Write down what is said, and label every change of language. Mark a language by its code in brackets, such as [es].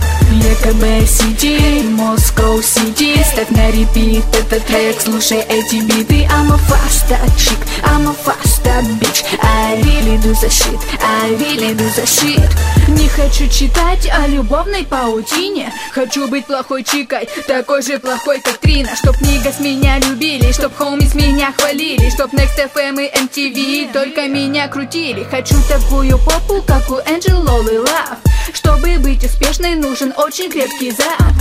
[ru] ЕКБ, CGA, Moscow, CG. Ставь на репит этот трек, слушай эти биты. [en] I'm a flash that chick, I'm a flash that bitch. I really do the shit. [ru] Не хочу читать о любовной паутине. Хочу быть плохой чикой, такой же плохой, как Трина. Чтоб нигас меня любили, чтоб хоумис меня хвалили. Чтоб Next FM и MTV только меня крутили. Хочу такую попу, как у Angel Lolly Love. Чтобы быть успешной, нужен очень крепкий зад.